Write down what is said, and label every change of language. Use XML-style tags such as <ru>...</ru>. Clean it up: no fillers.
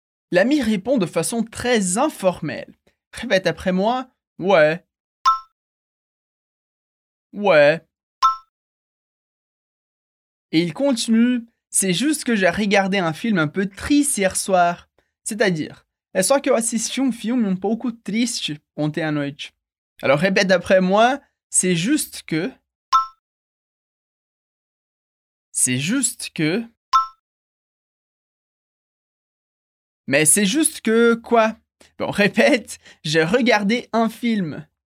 <fr>L'ami répond de façon très informelle. Répète après moi « Ouais. »« Ouais. » Et il continue, c'est juste que j'ai regardé un film un peu triste hier soir. C'est-à-dire,</fr> <pt>é só que eu assisti um filme um pouco triste ontem à noite.</pt> <fr>Alors répète après moi, c'est juste que. C'est juste que. Mais c'est juste que quoi? Bon, répète, j'ai regardé un film.</fr>